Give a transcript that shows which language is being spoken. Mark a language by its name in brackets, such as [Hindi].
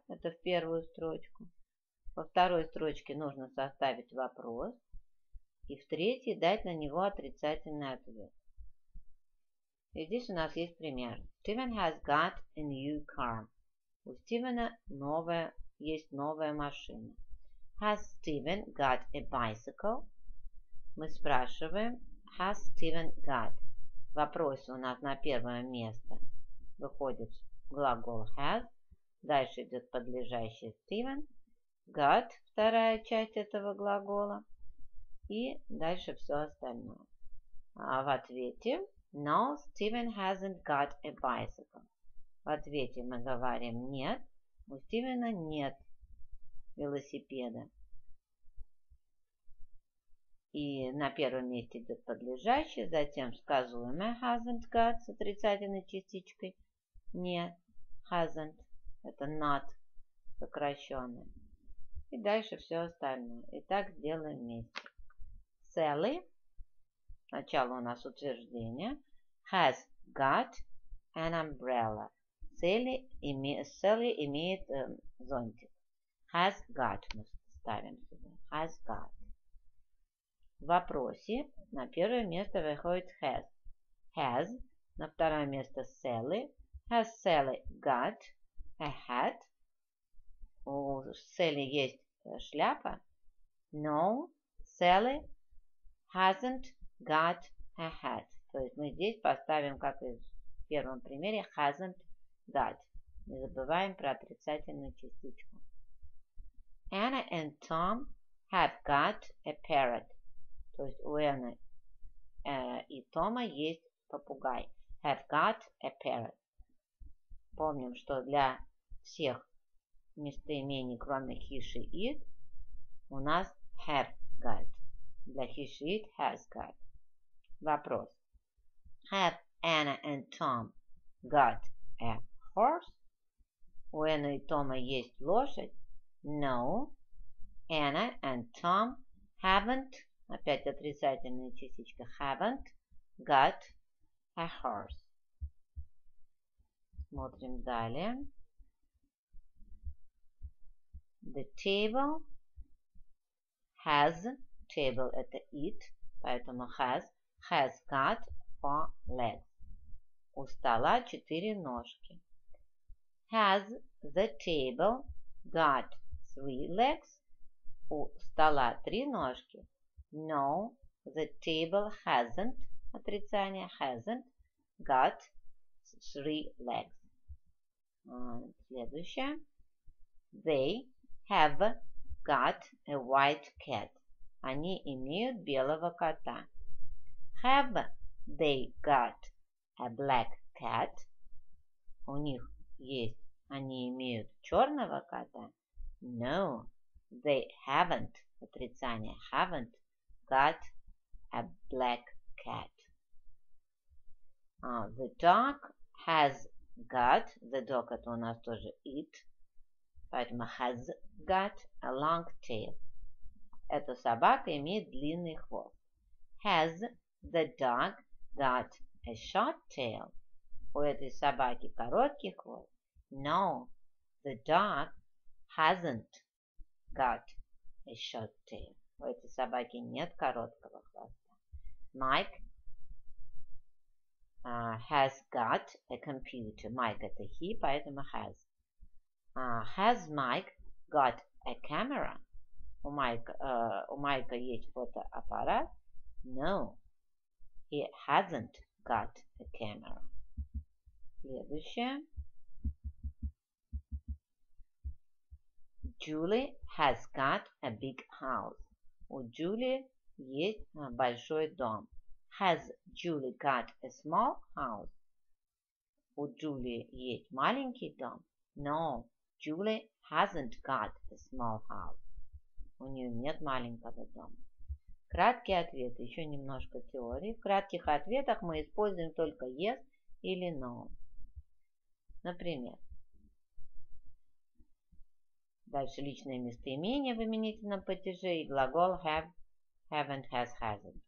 [Russian] Это в первую строчку. Во второй строчке нужно составить вопрос. И в третьей дать на него отрицательный ответ. И здесь у нас есть пример. [English] Steven has got a new car. [Russian] У Стивена есть новая машина. [English] Has Steven got a bicycle? [Russian] Мы спрашиваем. [English] Has Steven got? [Russian] В вопросе у нас на первое место выходит глагол has. Дальше идет подлежащий Steven. Got – вторая часть этого глагола. И дальше все остальное. А в ответе [English] – no, Steven hasn't got a bicycle. [Russian] В ответе мы говорим – нет, у Стивена нет велосипеда. И на первом месте идет подлежащее, затем сказуемое hasn't got с отрицательной частичкой. Нет, hasn't, это not, сокращенное. И дальше все остальное. Итак, сделаем вместе. [English] Sally, [Russian] сначала у нас утверждение, [English] has got an umbrella. [Russian] Sally имеет зонтик. [English] Has got, [Russian] мы ставим сюда, [English] has got. [Russian] В вопросе на первое место выходит has. [English] Has. [Russian] На второе место Sally. [English] Has Sally got a hat? [Russian] У Sally есть шляпа? [English] No, Sally hasn't got a hat. [Russian] То есть мы здесь поставим, как и в первом примере, hasn't got. Не забываем про отрицательную частичку. [English] Anna and Tom have got a parrot. [Russian] То есть у Энны и Тома есть попугай. [English] Have got a parrot. [Russian] Помним, что для всех местоимений, кроме he, she, it, у нас have got. [English] Для he, she, it, has got. [Russian] Вопрос. [English] Have Anna and Tom got a horse? [Russian] У Энны и Тома есть лошадь? [English] No. Anna and Tom haven't. [Russian] Опять отрицательная частичка. [English] Haven't got a horse. [Russian] Смотрим далее. [English] The table has, table это it, поэтому has got four legs. [Russian] У стола четыре ножки. [English] Has the table got three legs? [Russian] У стола три ножки. [English] No, the table hasn't, отрицание, hasn't got three legs. [Russian] Следующее. [English] They have got a white cat. [Russian] Они имеют белого кота. [English] Have they got a black cat? [Russian] У них есть, они имеют черного кота. [English] No, they haven't, отрицание, haven't. Got a black cat. The dog has got, the dog [Russian] это у нас тоже [English] it, поэтому has got a long tail. [Russian] Эта собака имеет длинный хвост. [English] Has the dog got a short tail? [Russian] У этой собаки короткий хвост? [English] No, the dog hasn't got a short tail. [Russian] У этой собаки нет короткого хвоста. [English] Mike has got a computer. Mike это he, поэтому has. Has Mike got a camera? [Russian] У Майка есть фотоаппарат? [English] No, he hasn't got a camera. Следующее. Julie has got a big house. [Russian] У Джулии есть большой дом. [English] Has Julie got a small house? [Russian] У Джули есть маленький дом? [English] No, Julie hasn't got a small house. [Russian] У нее нет маленького дома. Краткий ответ. Еще немножко теории. В кратких ответах мы используем только yes или no. Например. Дальше личное местоимение в именительном падеже и глагол have, haven't, has, hasn't.